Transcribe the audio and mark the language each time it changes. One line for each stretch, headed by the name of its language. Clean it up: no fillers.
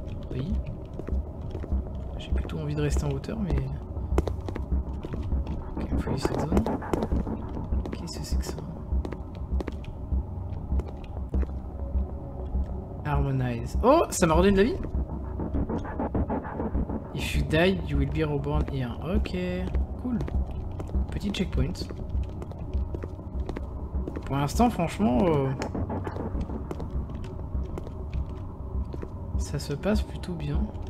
French: Oui. J'ai plutôt envie de rester en hauteur, mais... Ok, il faut aller cette zone. Qu'est-ce que c'est que ça? Harmonize. Oh, ça m'a redonné de la vie.
English: If you die, you will be reborn here.
French: Ok, cool. Petit checkpoint. Pour l'instant, franchement, ça se passe plutôt bien.